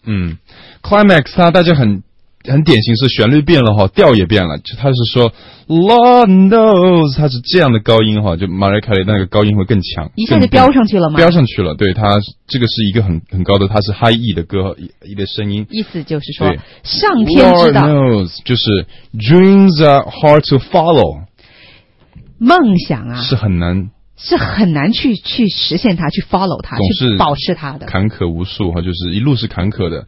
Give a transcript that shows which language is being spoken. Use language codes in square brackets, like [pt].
[zh] 嗯 ，climax 它大家很典型是旋律变了哈，调也变了，就它是说 [en] Lord knows [zh] 它是这样的高音哈，就 Mariah Carey 那个高音会更强，一下就飙上去了吗？飙上去了，对，它这个是一个很高的，它是 high E 的歌一的声音，意思就是说上天知道 [en] Lord knows [zh] 就是 [en] dreams are hard to follow， [zh] 梦想啊是很难去实现它，去 follow 它，去保持它的坎坷无数哈，就是一路是坎坷的，